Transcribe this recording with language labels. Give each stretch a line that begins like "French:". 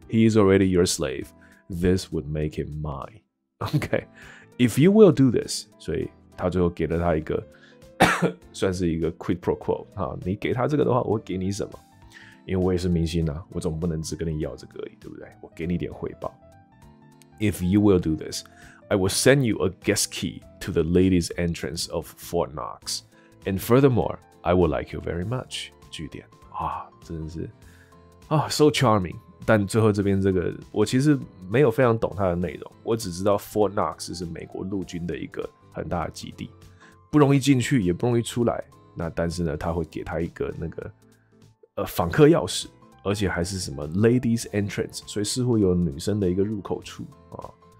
English: He is already your slave. This would make him mine. Okay. If you will do this，
Chinese: 所以他最后给了他一个算是一个 quid pro quo 哈，你给他这个的话，我给你什么？因为我也是明星啊，我总不能只跟你要这个而已，对不对？我给你点回报。
English: If you will do this。 I will send you a guest key to the ladies' entrance of Fort Knox, and furthermore, I will like you very much.
Chinese: 句点啊，真的是啊 ，
English: so charming.
Chinese: 但最后这边这个，我其实没有非常懂它的内容，我只知道 Fort Knox 是美国陆军的一个很大的基地，不容易进去，也不容易出来。那但是呢，他会给他一个那个访客钥匙，而且还是什么 ladies' entrance， 所以似乎有女生的一个入口处啊。